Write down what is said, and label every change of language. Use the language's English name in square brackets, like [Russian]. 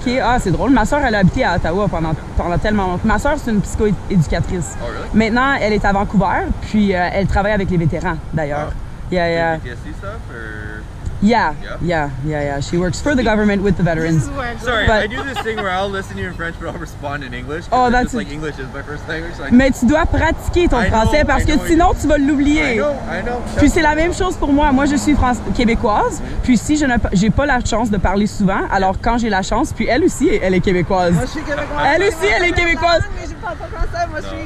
[French] Ah, ok. Ah, c'est drôle. Ma soeur, elle a habité à Ottawa pendant tellement longtemps. Ma soeur, c'est une psycho-éducatrice. [English] Oh, really? [French] Maintenant, elle est à Vancouver, puis elle travaille avec les vétérans, d'ailleurs. Oh. [English] Yeah, yeah. PTSD stuff, or...? Yeah, yeah, yeah, yeah, yeah. She works for the government with the veterans. Sorry, I do this thing where I'll listen to you in French, but I'll respond in English. Oh, that's just, like, English is my first language. So [French] mais tu dois pratiquer ton français parce que sinon tu vas l'oublier. [English] I know. [French] Puis c'est la même chose pour moi. Moi, je suis québécoise. Mm-hmm. Puis si j'ai pas la chance de parler souvent, alors quand j'ai la chance, puis elle aussi, elle est québécoise. Moi, je suis québécoise. Elle aussi, elle est québécoise. Français,